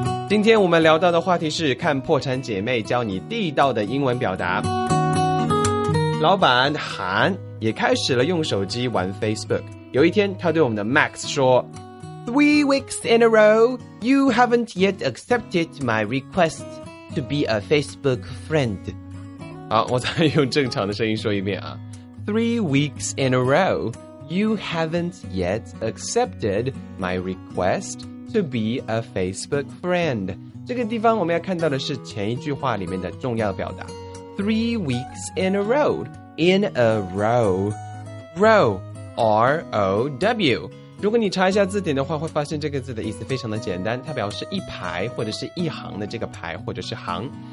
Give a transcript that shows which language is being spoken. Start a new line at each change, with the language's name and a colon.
Chinese: 今天我们聊到的话题是看破产姐妹教你地道的英文表达。老板韩也开始了用手机玩 Facebook， 有一天他对我们的 Max 说，
English: 3 weeks in a row you haven't yet accepted my request to be a Facebook friend。
Chinese: 好，我再用正常的声音说一遍啊，
English: 3 weeks in a row You haven't yet accepted my request to be a Facebook friend.
Chinese: 这个地方我们要看到的是前一句话里面的重要表达。
English: Three weeks in a row. In a row. Row. R-O-W.
Chinese: 如果你查一下字典的话，会发现这个字的意思非常的简单，它表示一排或者是一行的这个排或者是行。